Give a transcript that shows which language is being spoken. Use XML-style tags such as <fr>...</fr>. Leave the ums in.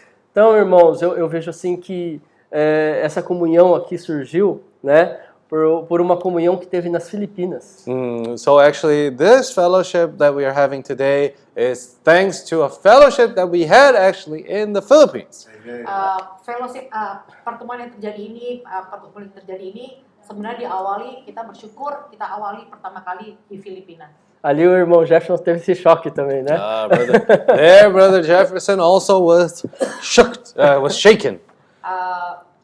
<pt>então, irmãos, eu, eu vejo assim que essa comunhão aqui surgiu, né? Por, por, uma comunhão que teve nas Filipinas.</pt> <en>Então, mm, so actually, this fellowship that we are having today is thanks to a fellowship that we had actually in the Philippines. Mm -hmm.</en> <id>Uh, fellowship, uh, pertemuan yang terjadi ini, uh, pertemuan yang terjadi ini sebenarnya diawali kita bersyukur kita awali pertama kali di Filipinas.</id> <pt>Ali o irmão Jefferson teve esse choque também, né? Ah, uh, brother.</pt> <en>brother Jefferson also was shocked, uh, was shaken. Uh,</en>